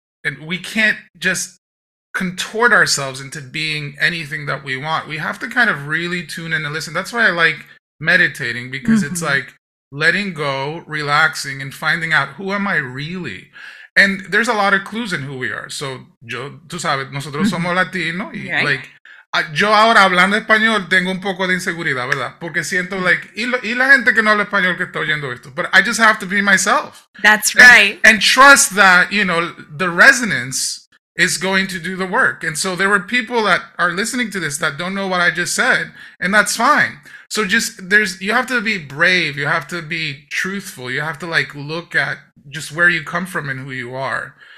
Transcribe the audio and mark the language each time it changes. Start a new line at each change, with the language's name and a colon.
English: And we can't just contort ourselves into being anything that we want. We have to kind of really tune in and listen. That's why I like meditating, because mm-hmm. it's like letting go, relaxing, and finding out who am I really? And there's a lot of clues in who we are.
Spanish: So, yo, tú sabes, nosotros somos latino. Y, yeah. Like, yo ahora hablando español tengo un poco de inseguridad, ¿verdad? Porque siento like, y la gente que no habla español que está oyendo esto.
English: But I just have to be myself. That's right. And trust that, you know, the resonance is going to do the work. And so there were people that are listening to this that don't know what I just said, and that's fine. So just, you have to be brave. You have to be truthful. You have to like look at just where you come from and who you are.